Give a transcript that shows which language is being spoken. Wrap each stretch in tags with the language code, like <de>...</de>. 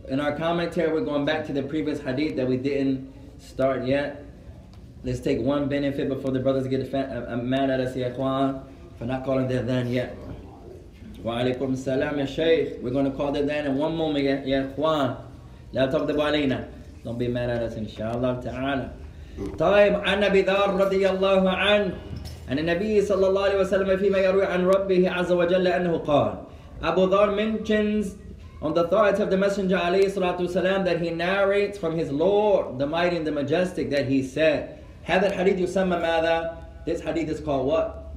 <en>In our commentary, we're going back to the previous hadith that we didn't start yet. Let's take one benefit before the brothers get mad at us, Ya Ikhwan, for not calling the adhan yet. Wa alaykum salam, Ya Shaykh. We're going to call the adhan in one moment, Ya Ikhwan.</en> <ar>لا تغضب علينا.</ar> <en>Don't be mad at us, inshallah ta'ala. طيب.</en> <ar>عن أبي ذر رضي الله عنه. عن النبي صلى الله عليه وسلم فيما يروي عن ربه عز وجل أنه قال.</ar> <en>Abu Dhar mentions on the authority of the Messenger alayhi salatu wasalam that he narrates from his Lord, the Mighty and the Majestic, that he said,</en> <ar>هذا الحديث يسمى ماذا?</ar> <en>This hadith is called what?</en>